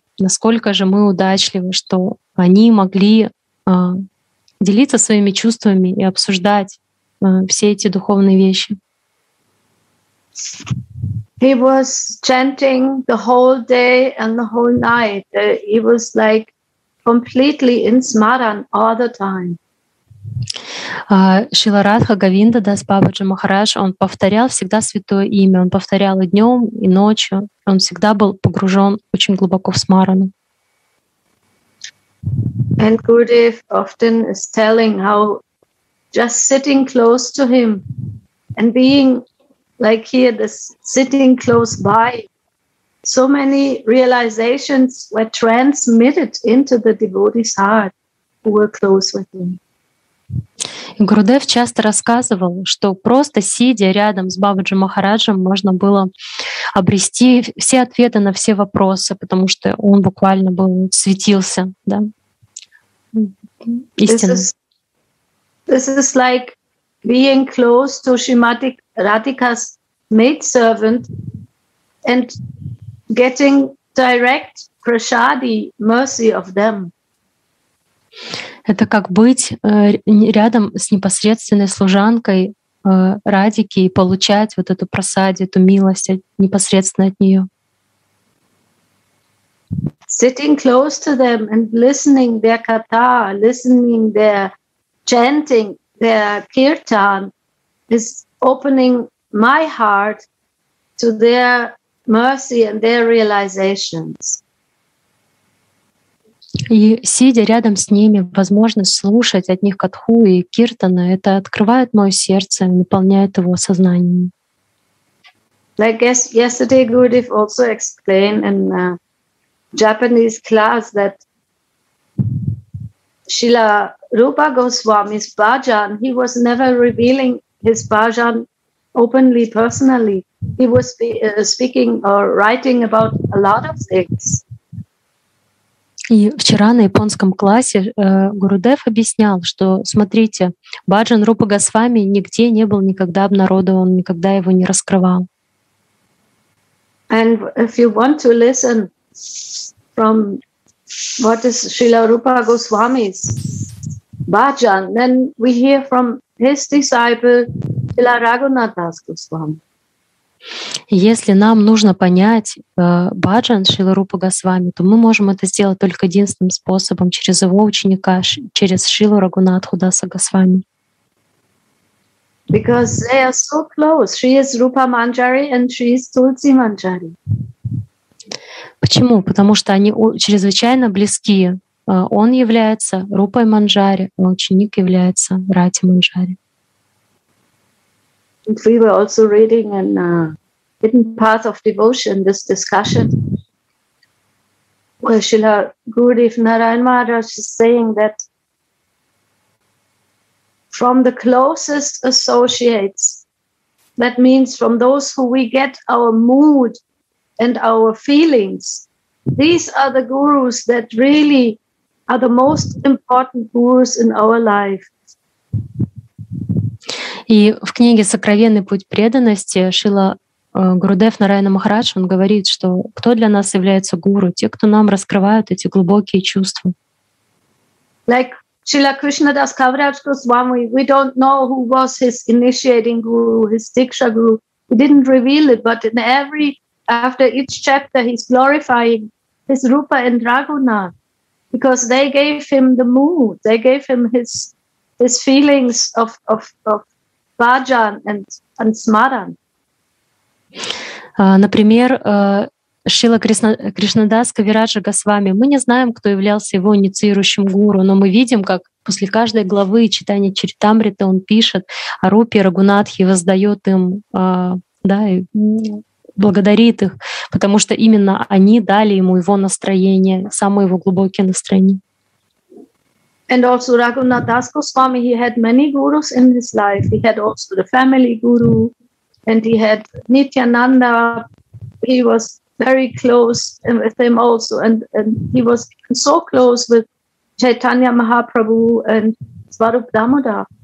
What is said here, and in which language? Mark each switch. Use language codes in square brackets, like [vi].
[ru] Насколько же мы удачливы, что они могли делиться своими чувствами и обсуждать все эти духовные вещи. [en] He was chanting the whole day and the whole night. He was like completely in smaran all the time. [ru] Шрила Радха Говинда Дас Бабаджи Махарадж, он повторял всегда святое имя, он повторял и днем, и ночью, он всегда был погружен очень глубоко в смарану. [en] And Gurudev often is telling how just sitting close to him and being like here, this sitting close by, so many realizations were transmitted into the devotee's heart who were close with him. [ru] Гурудев часто рассказывал, что просто сидя рядом с Бабаджи Махараджем можно было обрести все ответы на все вопросы, потому что он буквально был светился, да, истиной. [en] This is like being close to Shrimati Radhika's maidservant and getting direct prasadi, mercy of them. [ru] Это как быть рядом с непосредственной служанкой Радики и получать вот эту просаду, эту милость непосредственно от нее. [en] Sitting close to them and listening their katha, listening their chanting, their kirtan is opening my heart to their mercy and their realizations. [ru] И сидя рядом с ними, возможность слушать от них катху и киртана, это открывает мое сердце, наполняет его сознанием. [en] Like yesterday, Gurudev also explained in a Japanese class that Srila Rupa Goswami's bhajan, he was never revealing his bhajan openly, personally. He was speaking or writing about a lot of things. [ru] И вчера на японском классе Гурудев объяснял, что, смотрите, Баджан Рупа Госвами нигде не был никогда обнародован, никогда его не раскрывал. [en] And if you want to listen from what is Srila Rupa Goswami's Bhajan, then we hear from his disciple Srila Raghunathas Goswami. [ru] Если нам нужно понять баджан Шрилы Рупы Госвами, то мы можем это сделать только единственным способом через его ученика, через Шрилу Рагунатху Даса Госвами. [en] Because they are so close. She is Rupa Manjari and she is Tulsi Manjari. [ru] Почему? Потому что они чрезвычайно близки. Он является Рупой Манджари, а ученик является Рати Манджари. [en] And we were also reading in Hidden Path of Devotion this discussion where Srila Gurudev Narayan Maharaj is saying that from the closest associates, that means from those who we get our mood and our feelings, these are the gurus that really are the most important gurus in our life. [ru] И в книге «Сокровенный путь преданности» Шрила Гурудев Нараяна Махарадж, он говорит, что кто для нас является гуру? Те, кто нам раскрывают эти глубокие чувства. [en] Like Srila Krishnadas Kaviraj Goswami, we don't know who was his initiating guru, his Diksha guru. He didn't reveal it, but in every, after each chapter, he's glorifying his Rupa and Raghunath, because they gave him the mood, they gave him his feelings of bhajan and smaran. [ru] Например, Шрила Кришнадас Кавираджа Госвами. Мы не знаем, кто являлся его инициирующим гуру, но мы видим, как после каждой главы читания Чаритамриты он пишет о Рупе Рагунатхе, воздает им, да, и благодарит их, потому что именно они дали ему его настроение, самое его глубокое настроение. [en] And also Raghunath Das Goswami, he had many gurus in his life. He had also the family guru, and he had Nityananda. He was very close with him also, and he was so close with Chaitanya Mahaprabhu and Swarup Damodar.